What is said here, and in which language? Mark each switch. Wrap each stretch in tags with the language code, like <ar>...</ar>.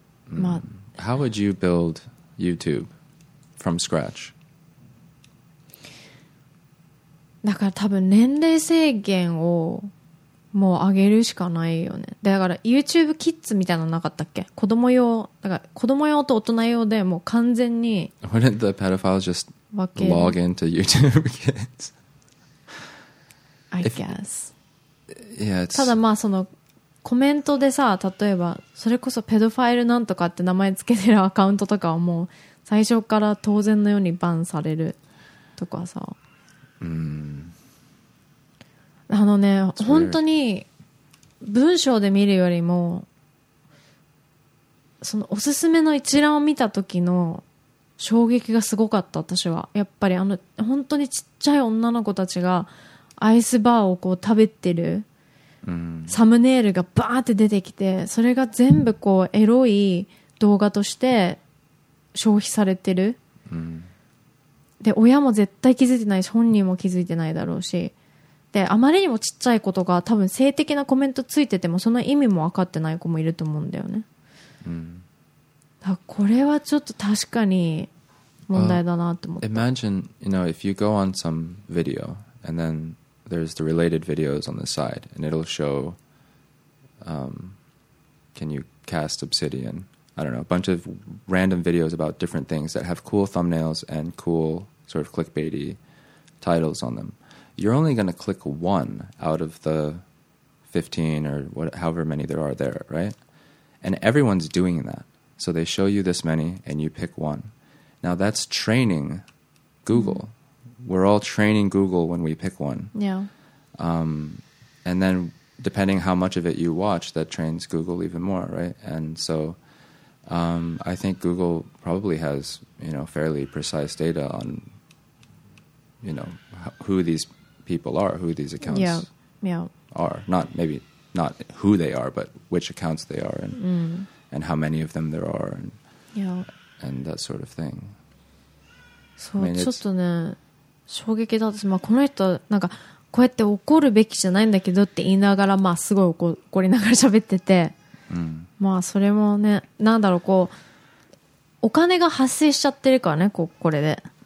<en>うん、まあ。How would you build YouTube from scratch?</en> <ja>だから多分年齢制限を。もう上げるしかないよね。だから YouTube Kids みたいなのなかったっけ？子供用、だから子供用と大人用でもう完全に。</ja> <en>Wouldn't the pedophiles just log into YouTube Kids? I guess. Yeah, it's...</en> <ja>ただまあそのコメントでさ、例えばそれこそペドファイルなんとかって名前つけてるアカウントとかはもう最初から当然のようにバンされるとかさ。うん。あのね、本当に文章で見るよりもそのおすすめの一覧を見た時の衝撃がすごかった。私はやっぱりあの本当にちっちゃい女の子たちがアイスバーをこう食べてるサムネイルがバーって出てきて、それが全部こうエロい動画として消費されてる、で親も絶対気づいてないし本人も気づいてないだろうし、であまりにもちっちゃい子とか多分性的なコメントついててもその意味も分かってない子もいると思うんだよね。うん、だからこれはちょっと確かに問題だなと思って。</ja> <en>Imagine, you know, if you go on some video and then there's the related videos on the side and it'll show, can you cast obsidian? I don't know, a bunch of random videos about different things that have cool thumbnails and cool sort of clickbaity titles on them. You're only going to click one out of the 15 or what, however many there are there, right? And everyone's doing that. So they show you this many and you pick one. Now that's training Google. We're all training Google when we pick one. Yeah. And then depending how much of it you watch, that trains Google even more, right? And so I think Google probably has, you know, fairly precise data on, you know, who these... people are, who these accounts are. Not maybe not who they are, but which accounts they are and,、and how many of them there are and,、and that sort of thing.</en> <ja>そう、</ja> <en>I mean,</en> <ja>ちょっとね、衝撃だった。まあ、この人、なんか、こうやって怒るべきじゃないんだけどって言いながら、まあ、すごい怒りながら喋ってて、まあ、それもね、なんだろう、こう、お金が発生しちゃってるからね、これで。</ja>